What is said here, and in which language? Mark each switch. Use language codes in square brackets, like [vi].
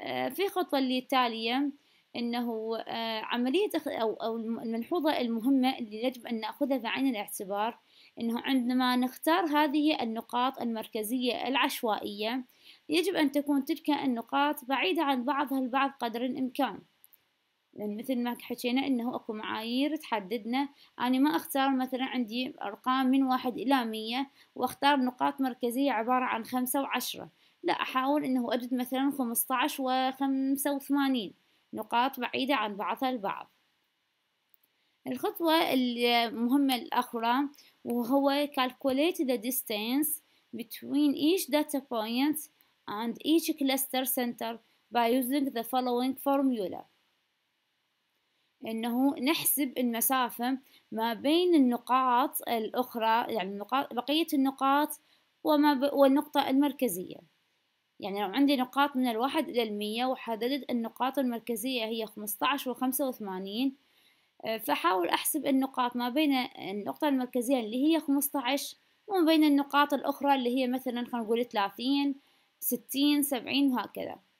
[ar] في خطوة اللي التالية إنه عملية أو الملحوظة المهمة اللي يجب أن نأخذها في عين الاعتبار إنه عندما نختار هذه النقاط المركزية العشوائية يجب أن تكون تلك النقاط بعيدة عن بعضها البعض قدر الإمكان، لأن مثل ما حكينا إنه أكو معايير تحددنا. أنا ما أختار مثلا عندي أرقام من 1 إلى 100 وأختار نقاط مركزية عبارة عن 5 و10، لا، أحاول إنه أجد مثلا 15 و85 نقاط بعيدة عن بعضها البعض. الخطوة المهمة الأخرى وهو [en] calculate the distance between each data point and each cluster center by using the following formula. [ar] إنه نحسب المسافة ما بين النقاط الأخرى، يعني النقاط بقية النقاط وما والنقطة المركزية. يعني لو عندي نقاط من 1 إلى 100 وحددت النقاط المركزية هي 15 و85، فحاول أحسب النقاط ما بين النقطة المركزية اللي هي 15 وما بين النقاط الأخرى اللي هي مثلا خلينا نقول 30 60 70 وهكذا.